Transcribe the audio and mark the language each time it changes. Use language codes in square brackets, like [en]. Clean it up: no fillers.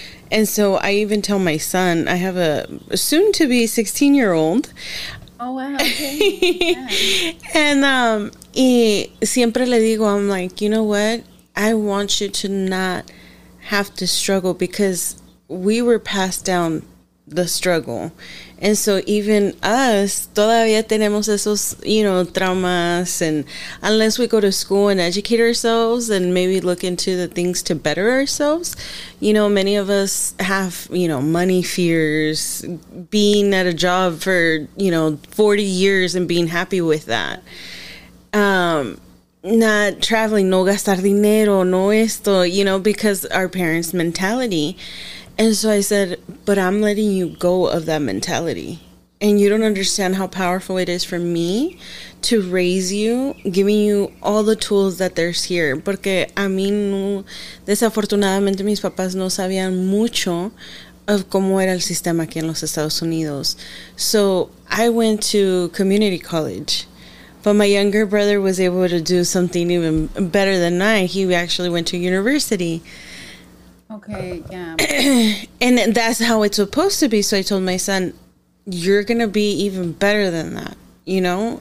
[en] And so I even tell my son, I have a soon-to-be 16-year-old. Oh, wow. Okay. And [es] y siempre le digo, [en] I'm like, you know what? I want you to not have to struggle because we were passed down the struggle. And so even us, [es] todavía tenemos esos, [en] you know, traumas. And unless we go to school and educate ourselves and maybe look into the things to better ourselves, you know, many of us have, you know, money fears, being at a job for, you know, 40 years and being happy with that. Not traveling, [es] no gastar dinero, no esto, [en] you know, because our parents' mentality. And so I said, but I'm letting you go of that mentality. And you don't understand how powerful it is for me to raise you, giving you all the tools that there's here. [es] Porque a mí, no, desafortunadamente, mis papás no sabían mucho [en] of [es] cómo era el sistema aquí en los Estados Unidos. [en] So I went to community college. But my younger brother was able to do something even better than I. He actually went to university. Okay, yeah. And that's how it's supposed to be. So I told my son, you're going to be even better than that, you know?